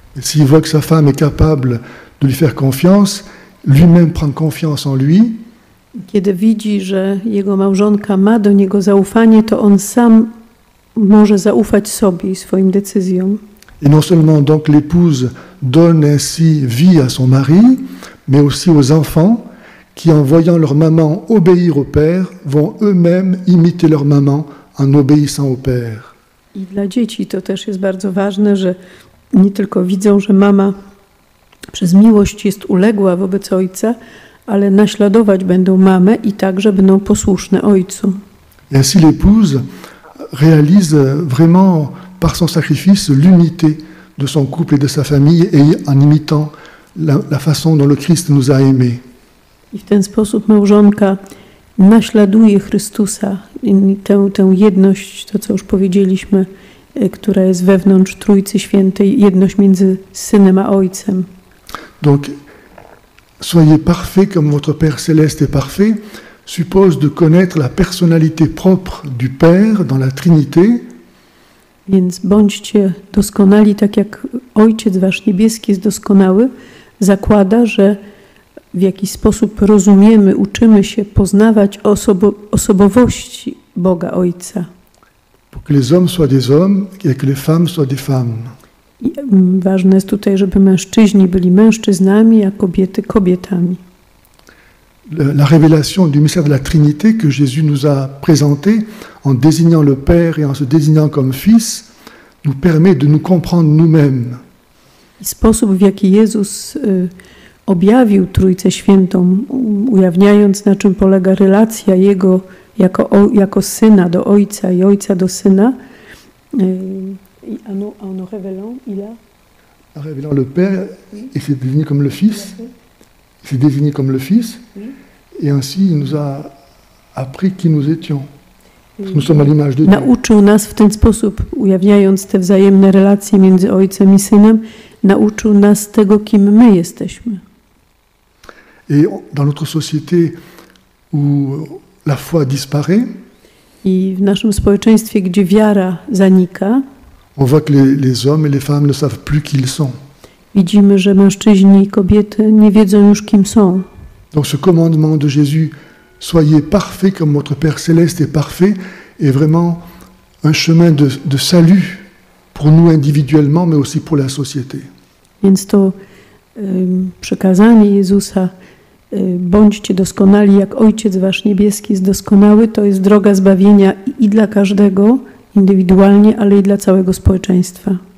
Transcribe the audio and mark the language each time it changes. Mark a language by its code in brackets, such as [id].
[fr] S'il voit que sa femme est capable de lui faire confiance, lui-même prend confiance en lui. [pl] Kiedy widzi, że jego małżonka ma do niego zaufanie, to on sam może zaufać sobie i swoim decyzjom. [fr] Et non seulement donc l'épouse donne ainsi vie à son mari, mais aussi aux enfants qui, en voyant leur maman obéir au père, vont eux-mêmes imiter leur maman en obéissant au père. [pl] I dla dzieci to też jest bardzo ważne, że nie tylko widzą, że mama przez miłość jest uległa wobec ojca, ale naśladować będą mamę i także będą posłuszne ojcu. [fr] Et ainsi l'épouse réalise vraiment par son sacrifice l'unité de son couple et de sa famille et en imitant la façon dont le Christ nous a aimés. [pl] I w ten sposób małżonka naśladuje Chrystusa i tę jedność, to co już powiedzieliśmy, która jest wewnątrz Trójcy Świętej, jedność między Synem a Ojcem. [fr] Donc, soyez parfait comme votre Père Céleste est parfait suppose de connaître la personnalité propre du Père dans la Trinité. [pl] Więc bądźcie doskonali, tak jak Ojciec Wasz Niebieski jest doskonały, zakłada, że w jakiś sposób rozumiemy, uczymy się poznawać osobowości Boga Ojca. [fr] Pour que les hommes soient des hommes et que les femmes soient des femmes. [pl] Ważne jest tutaj, żeby mężczyźni byli mężczyznami, a kobiety kobietami. [fr] la révélation du mystère de la Trinité que Jésus nous a présenté en désignant le Père et en se désignant comme Fils nous permet de nous comprendre nous-mêmes. [pl] I sposób, w jaki Jezus objawił Trójcę Świętą, ujawniając, na czym polega relacja Jego jako Syna do Ojca i Ojca do Syna, [fr] révélant le Père, il s'est défini comme le Fils. Il s'est défini comme le Fils. Et ainsi, il nous a appris qui nous étions. Nous sommes à l'image de Dieu. [pl] Nauczył nas w ten sposób, ujawniając te wzajemne relacje między Ojcem i Synem, nauczył nas tego, kim my jesteśmy. [fr] Et dans notre société où la foi disparaît, [pl] i w naszym społeczeństwie, gdzie wiara zanika, [fr] on voit que les hommes et les femmes ne savent plus qui ils sont. [pl] Widzimy, że mężczyźni i kobiety nie wiedzą już, kim są. [fr] Donc ce commandement de Jésus, soyez parfaits comme votre Père céleste est parfait, est vraiment un chemin de salut pour nous individuellement, mais aussi pour la société. [pl] Więc to przekazanie Jezusa, bądźcie doskonali, jak Ojciec wasz niebieski jest doskonały, to jest droga zbawienia i dla każdego, indywidualnie, ale i dla całego społeczeństwa.